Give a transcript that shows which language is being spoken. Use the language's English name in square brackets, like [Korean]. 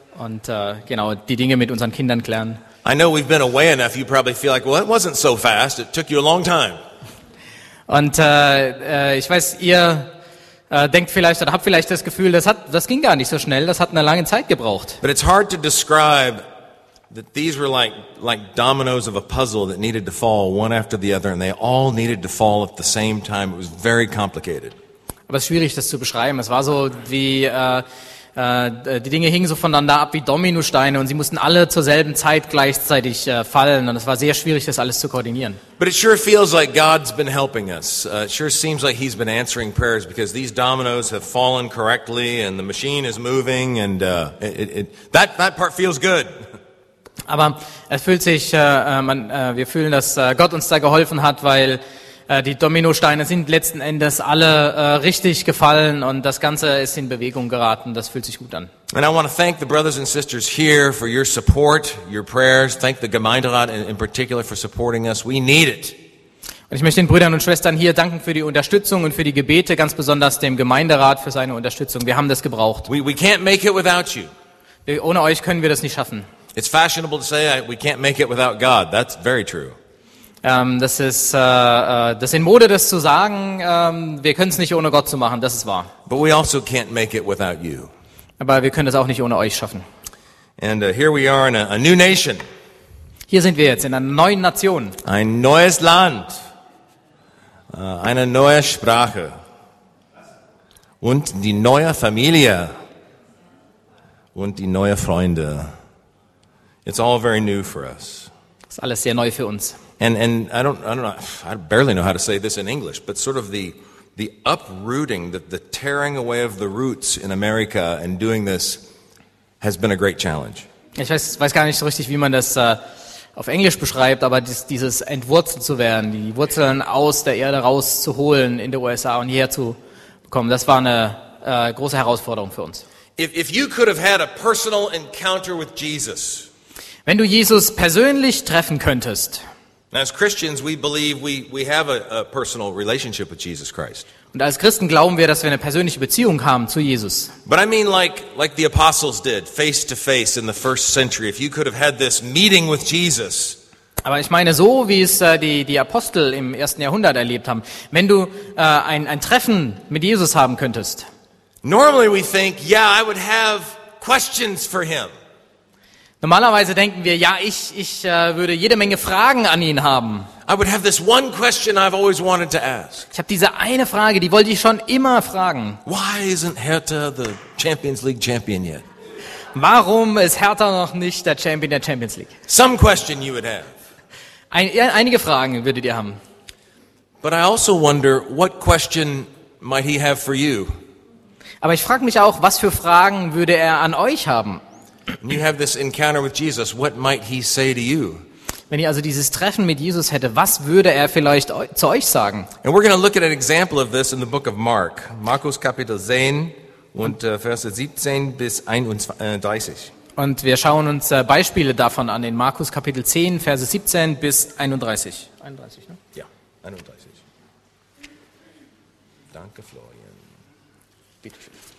[German] Und genau, die Dinge mit unseren Kindern klären. [English] I know we've been away enough, you probably feel like, well, it wasn't so fast, it took you a long time. [German] Und ich weiß, ihr denkt vielleicht oder habt vielleicht das Gefühl, das ging gar nicht so schnell, das hat eine lange Zeit gebraucht. [English] But it's hard to describe that these were like dominoes of a puzzle that needed to fall one after the other, and they all needed to fall at the same time. It was very complicated. [German] Aber es ist schwierig, das zu beschreiben. Es war so wie die Dinge hingen so voneinander ab wie Dominosteine und sie mussten alle zur selben Zeit gleichzeitig fallen und es war sehr schwierig, das alles zu koordinieren. [English] But it sure feels like God's been helping us. It sure seems like he's been answering prayers because these dominoes have fallen correctly and the machine is moving and that part feels good. [German] Aber es fühlt sich, wir fühlen, dass Gott uns da geholfen hat, weil die Dominosteine sind letzten Endes alle richtig gefallen und das Ganze ist in Bewegung geraten. Das fühlt sich gut an. [English] And I want to thank the brothers and sisters here for your support, your prayers. Thank the Gemeinderat in particular for supporting us. We need it. [German] Und ich möchte den Brüdern und Schwestern hier danken für die Unterstützung und für die Gebete, ganz besonders dem Gemeinderat für seine Unterstützung. Wir haben das gebraucht. [English] We can't make it without you. [German] Ohne euch können wir das nicht schaffen. [English] It's fashionable to say we can't make it without God. That's very true. [German] Das ist in Mode, das zu sagen, wir können es nicht ohne Gott zu machen, das ist wahr. [English] But we also can't make it without you. [German] Aber wir können es auch nicht ohne euch schaffen. [English] And here we are in a new nation. [German] Hier sind wir jetzt in einer neuen Nation. Ein neues Land. Eine neue Sprache. Und die neue Familie. Und die neue Freunde. [English] It's all very new for us. [German] Das ist alles sehr neu für uns. [English] And I barely know how to say this in English, but sort of the uprooting, the tearing away of the roots in America and doing this has been a great challenge. [German] Ich weiß gar nicht so richtig, wie man das auf Englisch beschreibt, aber dieses entwurzelt zu werden, die Wurzeln aus der Erde rauszuholen in den USA und hierher zu kommen, das war eine große Herausforderung für uns. [English] If you could have had a personal encounter with Jesus. [German] Wenn du Jesus persönlich treffen könntest. [English] As Christians, we believe we have a personal relationship with Jesus Christ. [German] Und als Christen glauben wir, dass wir eine persönliche Beziehung haben zu Jesus. [English] But I mean like the apostles did, face to face in the first century. If you could have had this meeting with Jesus. [German] Aber ich meine so, wie es die Apostel im ersten Jahrhundert erlebt haben. Wenn du ein Treffen mit Jesus haben könntest. [English] Normally we think, yeah, I would have questions for him. [German] Normalerweise denken wir, ja, ich würde jede Menge Fragen an ihn haben. [English] I would have this one question I've always wanted to ask. [German] Ich habe diese eine Frage, die wollte ich schon immer fragen. [English] Why isn't Hertha the Champions League champion yet? [German] Warum ist Hertha noch nicht der Champion der Champions League? [English] Some question you would have. [German] Einige Fragen würdet ihr haben. [English] But I also wonder, what question might he have for you? [German] Aber ich frage mich auch, was für Fragen würde er an euch haben? [English] And you have this encounter with Jesus, what might he say to you? [German] Wenn ihr also dieses Treffen mit Jesus hätte, was würde er vielleicht zu euch sagen? [English] And we're going to look at an example of this in the book of Mark. [German] Markus Kapitel 10 und Verse 17 bis 31. Und wir schauen uns Beispiele davon an in Markus Kapitel 10, Verse 17 bis 31. 31, ne? Ja, 31. Danke, Florian. Bitte schön.